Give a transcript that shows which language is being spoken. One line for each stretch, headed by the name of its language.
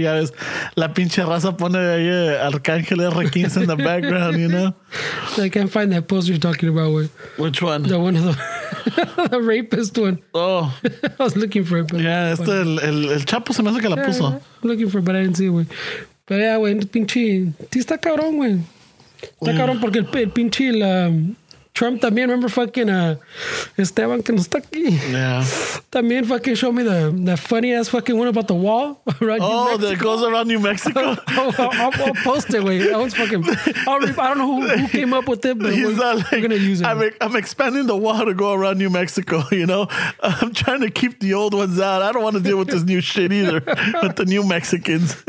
Spanish: Ya ves, la pinche raza pone ahí Arcángel R15
English: in the background, you know? I can't find that post you're talking about. Where, which one? The one of the, the rapist one. Oh. I was looking for it. But yeah,
Spanish: este el Chapo se me hace que la puso.
English: I'm looking for it, but I didn't see it, güey. But yeah,
Spanish: güey, pinche. Tí está cabrón, güey. Está cabrón porque el pinche Trump también,
English: remember fucking
Spanish: Esteban que no está aquí.
English: Yeah.
Spanish: También
English: fucking show me the funny ass fucking one about the wall around New Mexico. Oh, that goes around New Mexico. I'll post it, wait. That one's fucking. I don't know who came up with it, but we're going to use it. I'm expanding the wall to go around New Mexico, you know? I'm trying to keep the old ones out. I don't want to deal with this new shit either, with the new Mexicans.